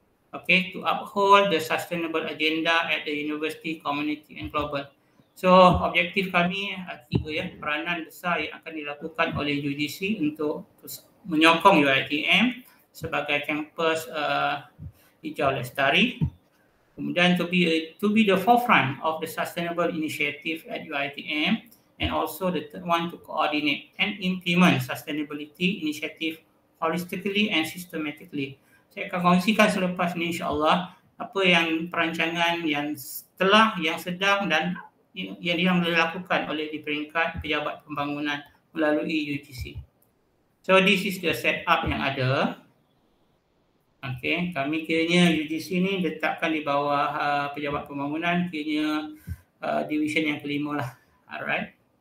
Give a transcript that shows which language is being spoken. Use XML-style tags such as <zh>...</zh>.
<en>Okay, to uphold the sustainable agenda at the university, community and global.</en> <ms>So, objektif kami tiga ya, peranan besar yang akan dilakukan oleh UGC untuk menyokong UITM sebagai campus hijau lestari.</ms> <en>Kemudian to be the forefront of the sustainable initiative at UITM, and also the third one to coordinate and implement sustainability initiative holistically and systematically.</en> <ms>Saya akan kongsikan selepas ini insyaAllah apa yang perancangan yang telah, yang sedang dan yang dilakukan oleh di peringkat pejabat pembangunan melalui UGC.</ms> <en>So this is the setup</en> <ms>yang ada. Okay, kami kiranya UGC ni letakkan di bawah pejabat pembangunan, kiranya division yang kelima lah. Alright.</ms>